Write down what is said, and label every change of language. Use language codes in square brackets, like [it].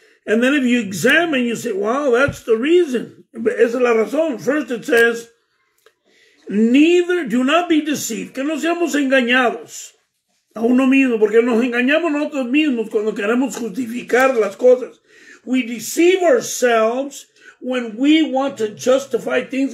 [en] And then if you examine, you say, wow, that's the reason. [es] Esa es la razón. [en] First it says, neither do not be deceived. [es] Que no seamos engañados a uno mismo. Porque nos engañamos nosotros mismos cuando queremos justificar las cosas. [en] We deceive ourselves when we want to justify things.